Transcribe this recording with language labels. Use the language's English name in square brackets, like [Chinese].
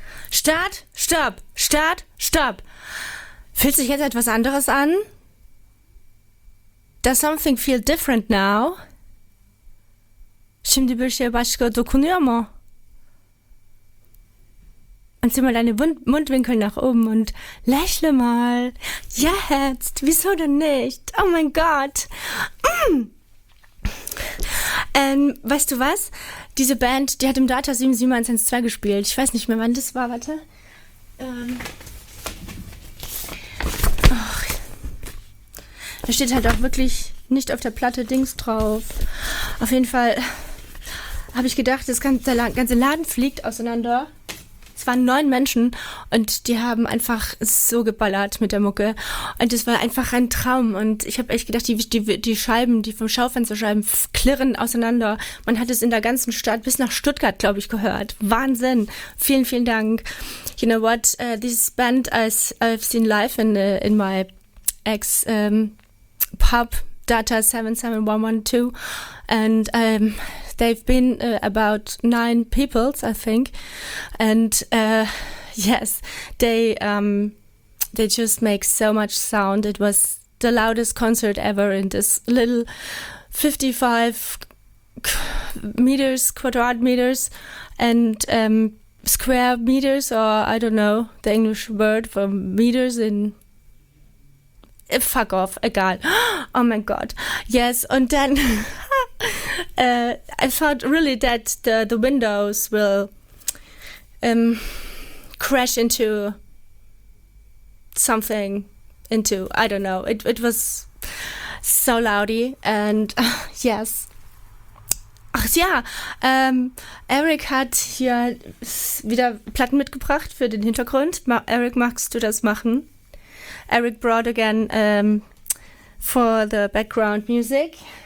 [German] Start, stopp, Start, stopp. Fühlt sich jetzt etwas anderes an? [English] Does something feel different now? [Turkish] Şimdi bir şey başka dokunuyor mu? [German] Und zieh mal deine Mundwinkel nach oben und lächle mal. Jetzt, wieso denn nicht? Oh mein Gott. Weißt du was? Diese Band, die hat im Data 77112 gespielt. Ich weiß nicht mehr, wann das war, warte. Da steht halt auch wirklich nicht auf der Platte Dings drauf. Auf jeden Fall habe ich gedacht, das ganze, der ganze Laden fliegt auseinander. Es waren 9 Menschen und die haben einfach so geballert mit der Mucke. Und es war einfach ein Traum. Und ich habe echt gedacht, die Scheiben, die vom Schaufensterscheiben, klirren auseinander. Man hat es in der ganzen Stadt bis nach Stuttgart, glaube ich, gehört. Wahnsinn. Vielen, vielen Dank. [English] You know what? This band I've seen live in my ex-pub, Data 77112. And they've been about 9 peoples, I think, and yes, they just make so much sound. It was the loudest concert ever in this little 55 square meters, and square meters, or I don't know the English word for meters in... Fuck off, egal. Oh my God. Yes, and then... I thought really that the windows will crash into something, into, I don't know, it was so loudy, and yes. [German] Ach ja, Eric hat hier wieder Platten mitgebracht für den Hintergrund. Eric, magst du das machen? [English] Eric brought again for the background music.